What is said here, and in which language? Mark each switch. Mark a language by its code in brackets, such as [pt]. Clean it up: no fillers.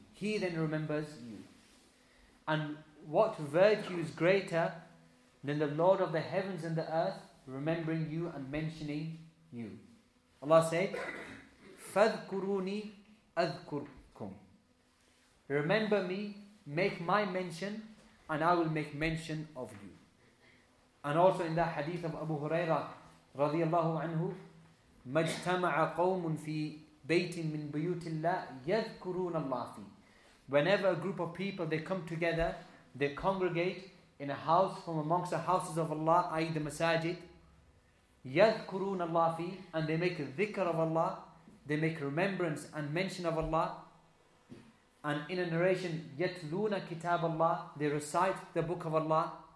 [en] He then remembers you. And what virtue is greater than the Lord of the heavens and the earth remembering you and mentioning you? Allah said, [ar] فَذْكُرُونِي أَذْكُرْكُمْ. [en] Remember me, make my mention, and I will make mention of you. And also in that hadith of Abu Hurairah [ar] رضي الله عنه, مَجْتَمَعَ قَوْمٌ فِي بَيْتٍ مِّن بَيُوتِ اللَّهِ يَذْكُرُونَ اللَّهِ فِي. [en] Whenever a group of people, they come together, they congregate in a house from amongst the houses of Allah, i.e. the masajid, [ar] يَذْكُرُونَ اللَّهِ فِي, [en] and they make a dhikr of Allah, they make remembrance and mention of Allah. And in a narration, [ar] يَتْلُونَ كِتَابَ اللَّهِ, [en] they recite the book of Allah.